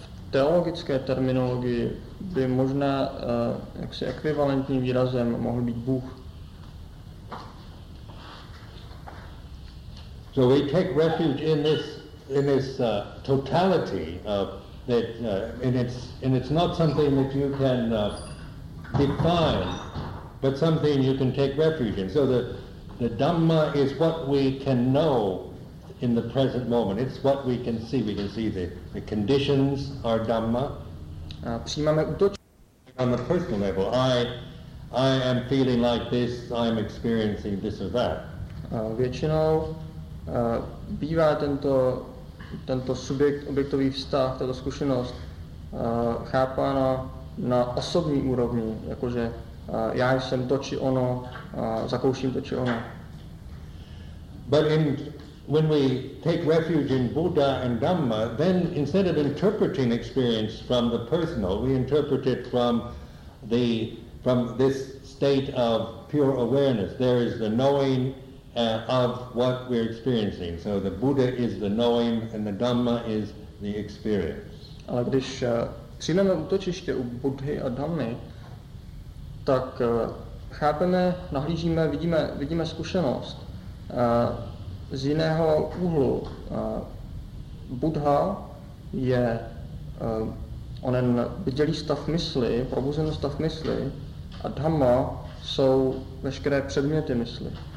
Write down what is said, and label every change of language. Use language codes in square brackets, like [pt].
[cs] Teologické terminologii by možná jaksi ekvivalentním výrazem mohl být Bůh. [en] So we take refuge in this totality of that and it's not something that you can define, but something you can take refuge in. So the Dhamma is what we can know in the present moment. It's what we can see. We can see the conditions are Dhamma. [cs] Přijímáme útočiště. [en] On the personal level, I am feeling like this, I'm experiencing this or that. [cs] Většinou bývá tento subjekt, objektový vztah, tato zkušenost chápána na osobní úrovni, jakože já jsem to či ono, zakouším to či ono. [en] But when we take refuge in Buddha and Dhamma, then instead of interpreting experience from the personal, we interpret it from this state of pure awareness. There is the knowing of what we're experiencing. So the Buddha is the knowing and the Dhamma is the experience. [cs] Ale když přijmeme útočiště u Buddhy a Dhammy, tak chápeme, nahlížíme, vidíme zkušenost z jiného úhlu. Buddha je onen bdělý stav mysli, probuzený stav mysli, a Dhamma jsou veškeré předměty mysli.